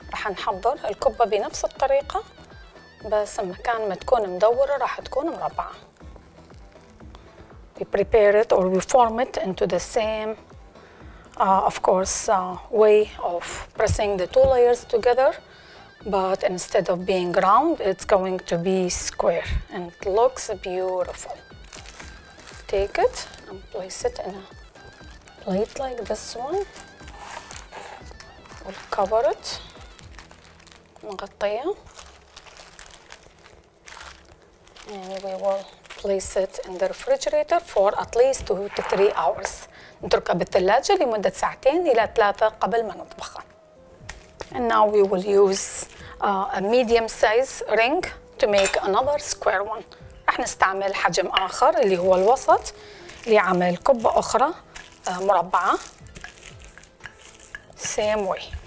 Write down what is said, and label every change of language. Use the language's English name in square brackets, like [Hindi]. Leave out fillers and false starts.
[Arabic] نحضر الكبة بنفس الطريقة بس المكان ما تكون مدورة راح تكون مربعة. [English] We prepare it or we form it into the same of course way of pressing the two layers together, but instead of being round it's going to be square and it looks beautiful. Take it and place it in a plate like this one. We'll cover it. مغطية. And we will place it in the refrigerator for at least 2 to 3 hours. [Arabic] نتركها بالثلاجة لمدة ساعتين إلى ثلاثة قبل ما نطبخها. [English] And now we will use a medium size ring to make another square one. [Arabic] راح نستعمل حجم آخر اللي هو الوسط لعمل كبة أخرى مربعة [English] same way.